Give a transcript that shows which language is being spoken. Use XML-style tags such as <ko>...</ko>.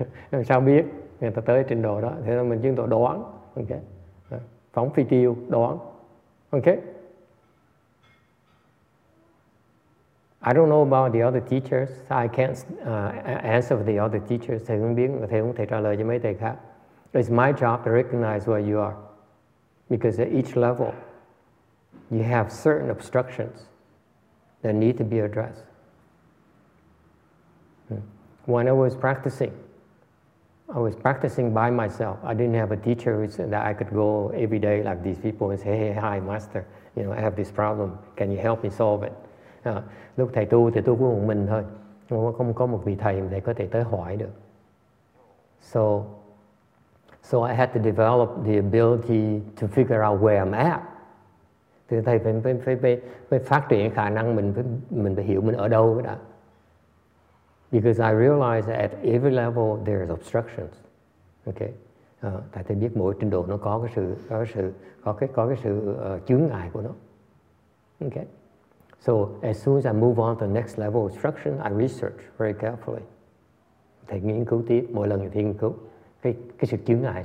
<vi>Làm sao biết người ta tới trình độ đó? Thế là mình chứng tỏ đoán, ok? Phóng phi tiêu, đoán, ok?</vi> <en>I don't know about the other teachers. I can't answer for the other teachers.</en> <vi>Thầy không biết, thầy không thể trả lời cho mấy thầy khác.</vi> <en>It's my job to recognize where you are, because at each level, you have certain obstructions that need to be addressed. When I was practicing by myself. I didn't have a teacher that I could go every day like these people and say, hey, hi, master, you know, I have this problem. Can you help me solve it?</en> <vi>Lúc thầy tu thì tôi cũng một mình thôi. Không có một vị thầy để có thể tới hỏi được.</vi> <en>So I had to develop the ability to figure out where I'm at.</en> <vi>Thì thầy phải phát triển khả năng mình phải hiểu mình ở đâu đó.</vi> <en>Because I realize that at every level there is obstructions. Okay.</en> <vi>Tại thầy biết mỗi trình độ nó có cái sự chướng ngại của nó. Okay.</vi> <en>So as soon as I move on to the next level of instruction, I research very carefully.</en> <vi>Thầy nghiên cứu tiếp, mỗi lần thì nghiên cứu cái sự chướng ngại.</vi>